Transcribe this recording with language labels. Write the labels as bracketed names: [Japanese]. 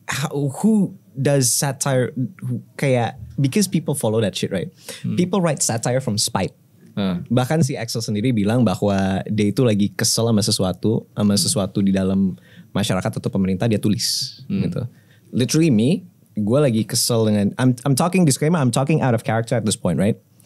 [English] Who does satire, [Indonesian] kayak, [English] because people follow that shit, right? People write satire from spite. [Indonesian] Bahkan si Axel sendiri bilang bahwa dia itu lagi kesel sama sesuatu di dalam masyarakat atau pemerintah, dia tulis. Gitu. [English] Literally me, [Indonesian] gue lagi kesel dengan, [English] I'm talking disclaimer, I'm talking out of character at this point, right?